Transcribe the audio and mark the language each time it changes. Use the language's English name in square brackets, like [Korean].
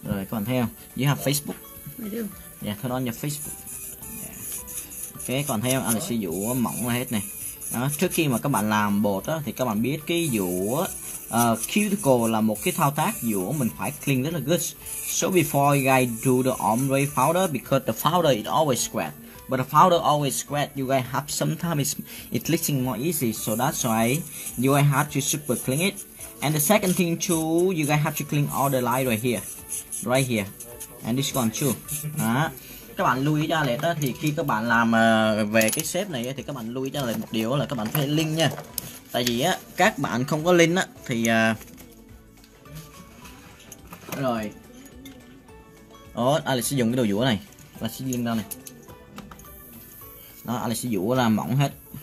[Vietnamese] còn thấy không? [English] You have Facebook. I do. Yeah, turn on your Facebook. Yeah. [Vietnamese] Ok, còn thấy không? Anh sẽ dũa mỏng là hết này. Đó, trước khi mà các bạn làm bột á thì các bạn biết cái dũa cuticle là một cái thao tác dũa mình phải clean rất là good. [English] So before you guys do the ombre powder, because the powder it always scratch. But the powder always scratch, you guys have sometimes it's leaking more easy. So that's why you guys have to super clean it. And the second thing too, you guys have to clean all the light right here. Right here. And this one too. Đó. [Vietnamese] Các bạn lưu ý cho Alex đó, thì khi các bạn làm về cái shape này thì các bạn lưu ý cho Alex một điều là các bạn phải link nha. Tại vì á các bạn không có link á thì rồi. Ồ, Alex sẽ dùng cái đồ dũa này. Và sẽ link ra này. Đó, Alex sẽ dũa ra mỏng hết.